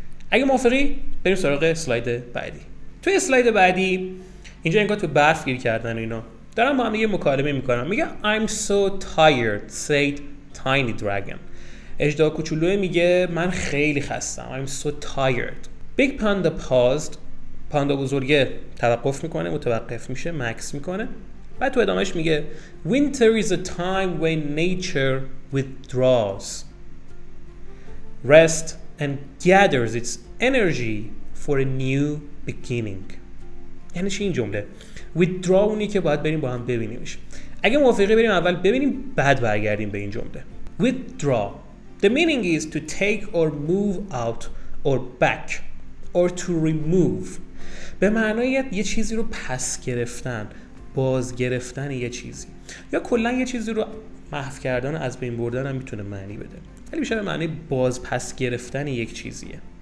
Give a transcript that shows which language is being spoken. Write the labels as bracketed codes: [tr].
[fa] اگه موافقی بریم سراغ سلاید بعدی. توی سلاید بعدی اینجا انگار تو برف گیر کردن اینا دارم با هم یه مکالمه میکنم. [en] میگه I'm so tired said tiny dragon. [fa] اژدها کوچولوه میگه من خیلی خستم. [en] I'm so tired. Big panda paused. [fa] پاندا بزرگه توقف میکنه، متوقف میشه، مکس میکنه. بعد تو ادامهش میگه [en] Winter is a time when nature withdraws, rest and gathers its energy for a new beginning. [fa] یعنی چی این جمله؟ withdrawing که باید بریم با هم ببینیمش. اگه موافقی بریم اول ببینیم بعد برگردیم به این جمله. [en] withdraw the meaning is to take or move out or back or to remove. [fa] به معنای یه چیزی رو پس گرفتن، باز گرفتن یه چیزی، یا کلا یه چیزی رو محو کردن، از بین بردن هم میتونه معنی بده، ولی بیشتر به معنی باز پس گرفتن یک چیزیه.